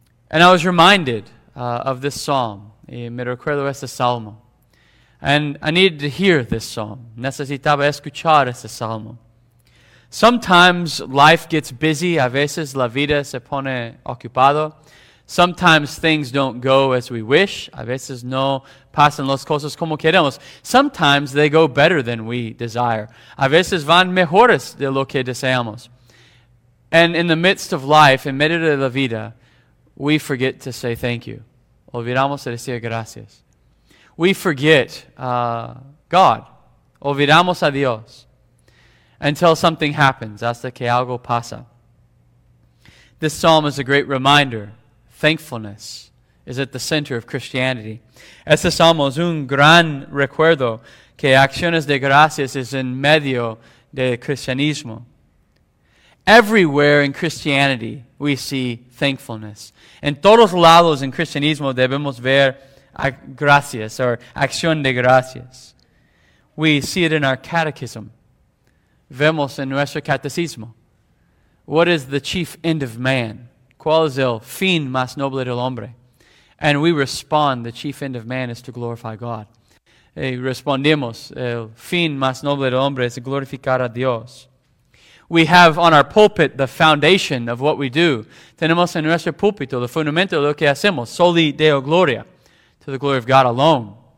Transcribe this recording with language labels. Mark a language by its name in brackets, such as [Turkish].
[English] And I was reminded of this psalm, [Spanish] y me recuerdo este salmo. [English] And I needed to hear this psalm. [Spanish] Necesitaba escuchar este salmo. [English] Sometimes life gets busy, [Spanish] a veces la vida se pone ocupado. [English] Sometimes things don't go as we wish. [Spanish] A veces no pasan las cosas como queremos. [English] Sometimes they go better than we desire. [Spanish] A veces van mejores de lo que deseamos. [English] And in the midst of life, [Spanish] en medio de la vida, [English] we forget to say thank you. [Spanish] Olvidamos de decir gracias. [English] We forget God. [Spanish] Olvidamos a Dios. [English] Until something happens. [Spanish] Hasta que algo pasa. [English] This psalm is a great reminder. Thankfulness is at the center of Christianity. [Spanish] Este salmo es un gran recuerdo que acciones de gracias es en medio de cristianismo. [English] Everywhere in Christianity we see thankfulness. [Spanish] En todos lados en cristianismo debemos ver gracias or acción de gracias. [English] We see it in our catechism. [Spanish] Vemos en nuestro catecismo. [English] What is the chief end of man? [Spanish] ¿Cuál es el fin más noble del hombre? [English] And we respond, the chief end of man is to glorify God. [Spanish] Y respondemos, el fin más noble del hombre es glorificar a Dios. [English] We have on our pulpit the foundation of what we do. [Spanish] Tenemos en nuestro púlpito el fundamento de lo que hacemos. [Latin] Soli Deo Gloria, [English] to the glory of God alone.